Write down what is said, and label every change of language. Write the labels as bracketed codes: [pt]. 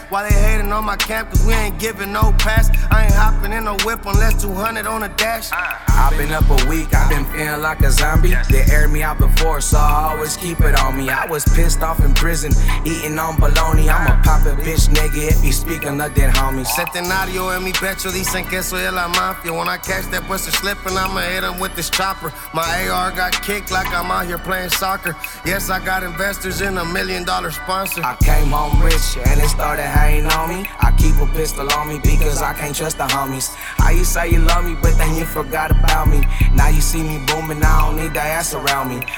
[en] While they hatin' on my camp, cause we ain't givin' no pass. I ain't hoppin' in no whip unless 200 on a dash. I've been up a week, I've been feelin' like a zombie. They aired me out before, so I always keep it on me. I was pissed off in prison, eating on bologna. I'ma pop a bitch, nigga, if he speaking of dead homies. [es] Centenario en mi pecho, dicen que soy de la mafia. [en] When I catch that buster slipping, I'ma hit him with this chopper. My AR got kicked like I'm out here playing soccer. Yes, I got investors in a $1 million sponsor. I came home rich, and it started hanging on me. I keep a pistol on me because I can't trust the homies. How you say you love me, but then you forgot about me? Now you see me booming, I don't need that ass around me.